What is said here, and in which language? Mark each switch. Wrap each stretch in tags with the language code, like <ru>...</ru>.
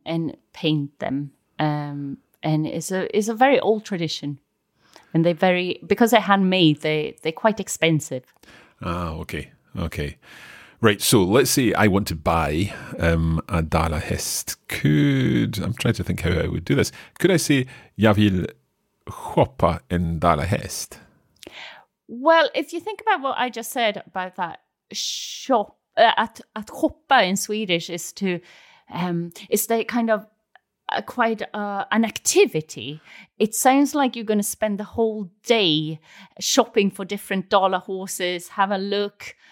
<en>And paint them. And it's a very old tradition. And they very, because they're handmade, they're quite expensive. Ah, okay. Right, so let's say I want to buy a dalahäst. I'm trying to think how I would do this. Could I say,</en> <sv>jag vill shoppa en dalahäst?</sv> <en>Well, if you think about what I just said about that shop,</en> <sv>att shoppa</sv> <en>in Swedish is to, it's the kind of quite an activity. It sounds like you're going to spend the whole day shopping for different dalar horses, have a look.</en>